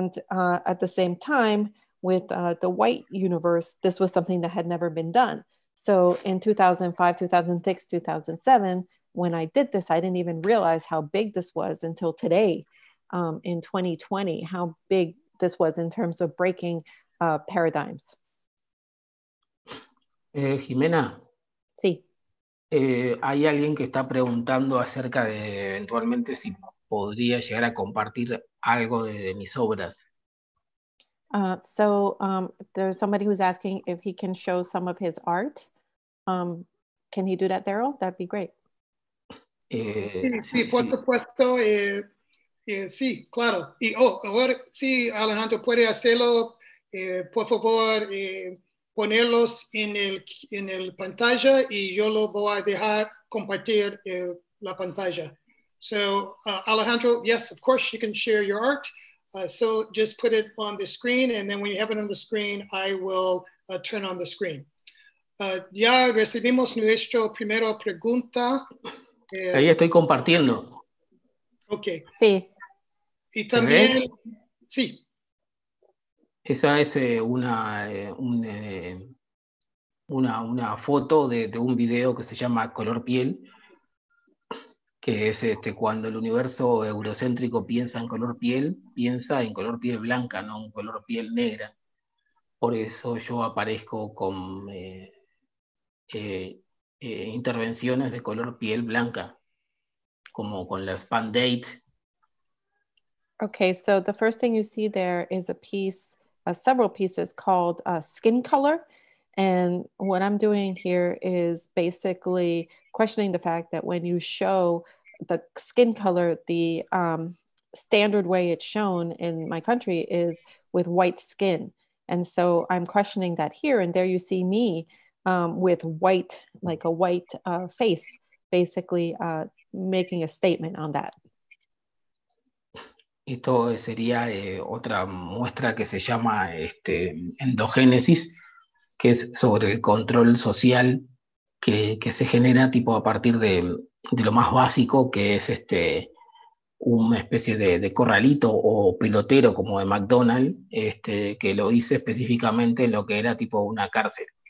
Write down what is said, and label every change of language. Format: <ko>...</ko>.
<en>At the same time, with the white universe, this was something that had never been done. So in 2005, 2006, 2007, when I did this, I didn't even realize how big this was until today, in 2020, how big this was in terms of breaking paradigms. Jimena?</en> <es>Sí. Hay alguien que está preguntando acerca de, eventualmente, si podría llegar a compartir algo de mis obras.</es> <en>There's somebody who's asking if he can show some of his art. Can he do that, Daryl? That'd be great.</en> <es>Sí, por supuesto. Sí, claro. Y ahora sí, Alejandro puede hacerlo. Por favor, ponerlos en el pantalla, y yo lo voy a dejar compartir la pantalla.</es> <en>So, Alejandro, yes, of course you can share your art. So just put it on the screen, and then when you have it on the screen, I will turn on the screen.</en> <es>Ya recibimos nuestra primera pregunta. Ahí estoy compartiendo. Ok. Sí. Y también, sí. Esa es una foto de un video que se llama Color Piel, que es cuando el universo eurocéntrico piensa en color piel, piensa en color piel blanca, no en color piel negra. Por eso yo aparezco con intervenciones de color piel blanca, como con las Band-Aids.</es> <en>Okay, so the first thing you see there is a piece, several pieces called Skin Color. And what I'm doing here is basically questioning the fact that when you show the skin color, the standard way it's shown in my country is with white skin. And so I'm questioning that here, and there you see me with white, like a white face, basically making a statement on that.</en> <es>Esto sería otra muestra que se llama endogénesis, que es sobre el control social que se genera tipo a partir de lo más básico, que es una especie de corralito o pelotero como de McDonald's, que lo hice específicamente en lo que era tipo una cárcel.</es>